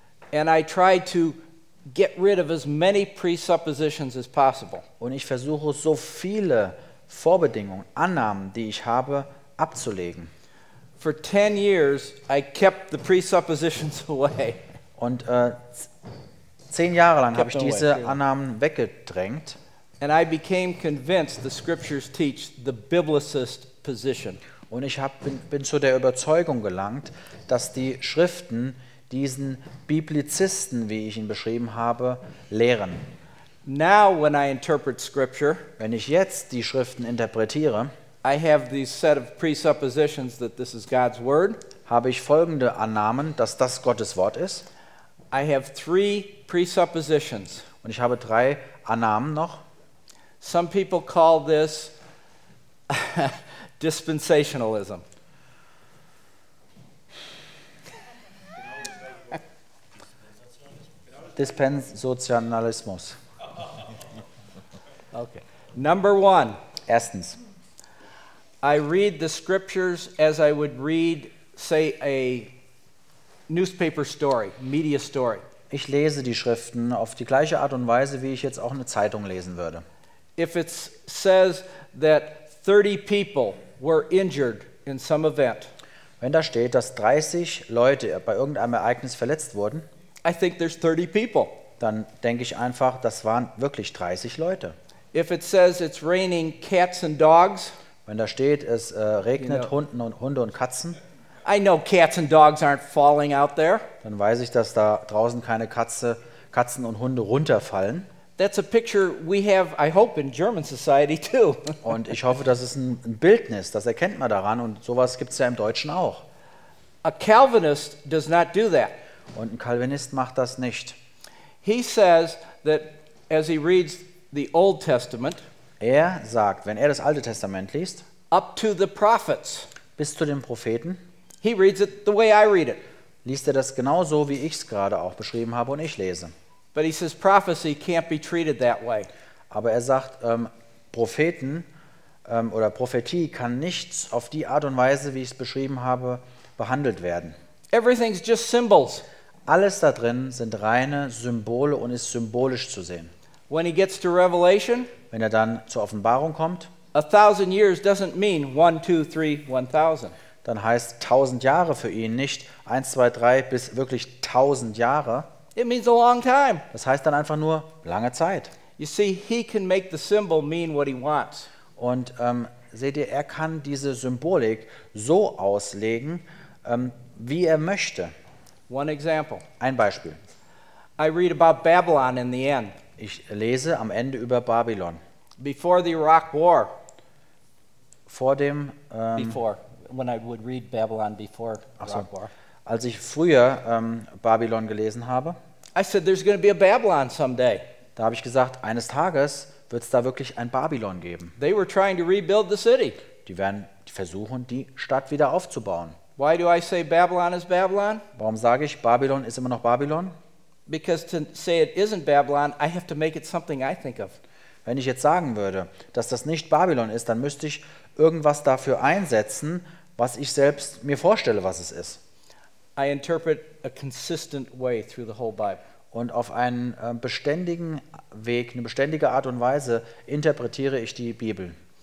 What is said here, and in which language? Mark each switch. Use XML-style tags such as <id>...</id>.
<en>And I try to get rid of as many presuppositions as possible.</en> <de>Und ich versuche so viele Vorbedingungen, Annahmen, die ich habe, abzulegen.</de> <en>For 10 years I kept the presuppositions away.</en> <de>Und 10 Jahre lang habe ich diese Annahmen weggedrängt.</de> <en>And I became convinced the scriptures teach the biblicist position.</en> <de>Und ich bin zu der Überzeugung gelangt, dass die Schriften diesen Biblizisten, wie ich ihn beschrieben habe, lehren.</de> <en>Now when I interpret scripture,</en> <de>wenn ich jetzt die Schriften interpretiere,</de> <en>I have this set of presuppositions that this is God's word.</en> <de>Habe ich folgende Annahmen, dass das Gottes Wort ist.</de> <en>I have three presuppositions.</en> <de>Und ich habe drei Annahmen noch.</de> <en>Some people call this dispensationalism.</en> <de>Dispensationalismus.</de> <en>Okay. Number one.</en> <de>Erstens.</de> <en>I read the scriptures as I would read, say, a newspaper story, media story.</en> <de>Ich lese die Schriften auf die gleiche Art und Weise, wie ich jetzt auch eine Zeitung lesen würde.</de> <en>If it says that 30 people were injured in some event,</en> <de>wenn da steht, dass 30 Leute bei irgendeinem Ereignis verletzt wurden,</de> <en>I think there's 30 people.</en> <de>Dann denke ich einfach, das waren wirklich 30 Leute.</de> <en>If it says it's raining cats and dogs,</en> <de>wenn da steht, es regnet Hunde und Katzen,</de> <en>I know cats and dogs aren't falling out there.</en> <de>Dann weiß ich, dass da draußen keine Katzen und Hunde runterfallen.</de> <en>That's a picture we have, I hope, in German society too.</en> <de>Und ich hoffe, das ist ein Bildnis, das erkennt man daran, und sowas gibt's ja im Deutschen auch.</de> <en>A Calvinist does not do that.</en> <de>Und ein Calvinist macht das nicht.</de> <en>He says that as he reads the Old Testament,</en> <de>er sagt, wenn er das Alte Testament liest,</de> <en>up to the prophets,</en> <de>bis zu den Propheten,</de> <en>he reads it the way I read it.</en> <de>Liest er das genauso, wie ich es gerade auch beschrieben habe und ich lese.</de> <en>But he says prophecy can't be treated that way.</en> <de>Aber er sagt, Propheten oder Prophetie kann nicht auf die Art und Weise, wie ich es beschrieben habe, behandelt werden.</de> <en>Everything's just symbols.</en> <de>Alles da drin sind reine Symbole und ist symbolisch zu sehen.</de> <en>When he gets to Revelation,</en> <de>wenn er dann zur Offenbarung kommt,</de> <en>1,000 years doesn't mean 1,000.</en> <de>Dann heißt 1,000 Jahre für ihn nicht 1, 2, 3 bis wirklich 1,000 Jahre.</de> <en>It means a long time.</en> <de>Das heißt dann einfach nur lange Zeit.</de> <en>You see, he can make the symbol mean what he wants.</en> <de>Und seht ihr, er kann diese Symbolik so auslegen, wie er möchte.</de> <en>One example.</en> <de>Ein Beispiel.</de> <en>I read about Babylon in the end.</en> <de>Ich lese am Ende über Babylon.</de> <en>Before the Iraq War.</en> <de>Vor dem</de> <en>before when I would read Babylon before Iraq so. War.</en> <de>Als ich früher Babylon gelesen habe.</de> <en>I said there's going to be a Babylon someday.</en> <de>Da habe ich gesagt, eines Tages wird es da wirklich ein Babylon geben.</de> <en>They were trying to rebuild the city.</en> <de>Die werden versuchen, die Stadt wieder aufzubauen.</de> <en>Why do I say Babylon is Babylon?</en> <de>Warum sage ich, Babylon ist immer noch Babylon?</de> <en>Because to say it isn't Babylon, I have to make it something I think of.</en> <de>Wenn ich jetzt sagen würde, dass das nicht Babylon ist, dann müsste ich irgendwas dafür einsetzen, was ich selbst mir vorstelle, was es ist.</de> <en>I interpret a consistent way through the whole Bible.</en> <de>Und auf einen beständigen Weg, eine beständige Art und Weise interpretiere ich die Bibel.</de>